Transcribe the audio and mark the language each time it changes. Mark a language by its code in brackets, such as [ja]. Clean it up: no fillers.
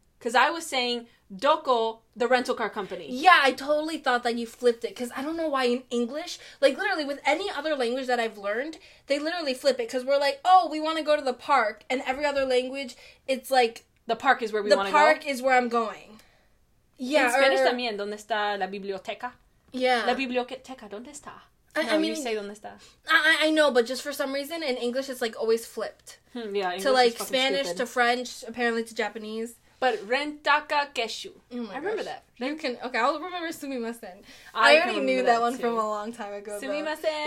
[en] Because I was saying, doko, the rental car company. Yeah, I totally thought that you flipped it. Because I don't know why in English, like literally with any other language that I've learned, they literally flip it. Because we're like, oh, we want to go to the park. And every other language, it's like... The park is where we want to go. The park is where I'm going. Yeah. In Spanish [es] también, ¿dónde está la biblioteca? [en] Yeah. [es] La biblioteca, ¿dónde está? [en] I mean, you say [es] donde está. [en] I know, but just for some reason, in English, it's, like, always flipped. Yeah, English to, like, is Spanish stupid. To French, apparently to Japanese. [ja] But rentaka keshu. [en] Oh my gosh. I remember that. I'll remember sumimasen. I already knew that one too. From a long time ago, [ja] sumimasen. [en] Though.